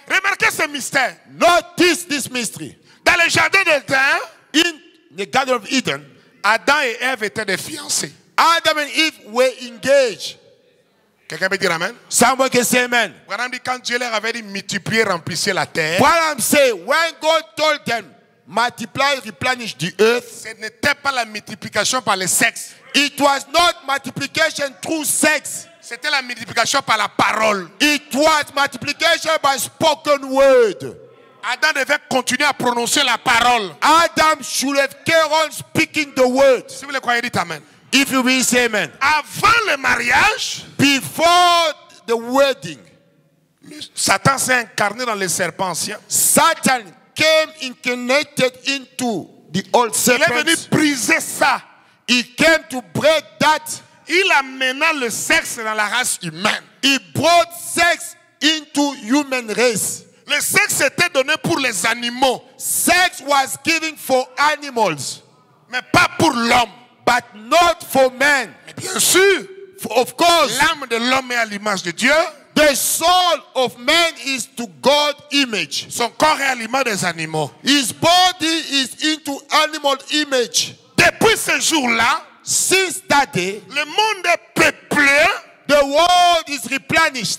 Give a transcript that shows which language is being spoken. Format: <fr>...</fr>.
<fr>Remarquez ce mystère.</fr> <en>Notice this mystery.</en> <fr>Dans le jardin d'Eden,</fr> <en>in the Garden of Eden,</en> <fr>Adam et Eve étaient des fiancés.</fr> <en>Adam and Eve were engaged.</en> <fr>Quelqu'un peut dire amen. Samuel que c'est amen. Branham dit quand Dieu leur avait dit multiplier, remplissez la terre.</fr> <en>Branham said when God told them multiply, replenish the earth.</en> <fr>Ce n'était pas la multiplication par le sexe.</fr> <en>It was not multiplication through sex.</en> <fr>C'était la multiplication par la parole.</fr> <en>It was multiplication by spoken word.</en> <fr>Adam devait continuer à prononcer la parole.</fr> <en>Adam should have kept on speaking the word.</en> <fr>Si vous le croyez, dites amen.</fr> <en>If you will say amen.</en> <fr>Avant le mariage,</fr> <en>before the wedding,</en> <fr>Satan s'est incarné dans le serpent ancien.</fr> <en>Satan came incarnated into the old serpent.</en> <fr>Il est venu briser ça.</fr> <en>He came to break that.</en> <fr>Il amena le sexe dans la race humaine.</fr> <en>He brought sex into human race.</en> <fr>Le sexe était donné pour les animaux.</fr> <en>Sex was given for animals.</en> <fr>Mais pas pour l'homme.</fr> <en>But not for man.</en> <fr>Mais bien sûr.</fr> <en>For, of course.</en> <fr>L'âme de l'homme est à l'image de Dieu.</fr> <en>The soul of man is to God's image.</en> <fr>Son corps est à l'image des animaux.</fr> <en>His body is into animal image.</en> <fr>Depuis ce jour-là,</fr> <en>since that day, le monde est peuplé, the world is replenished</en>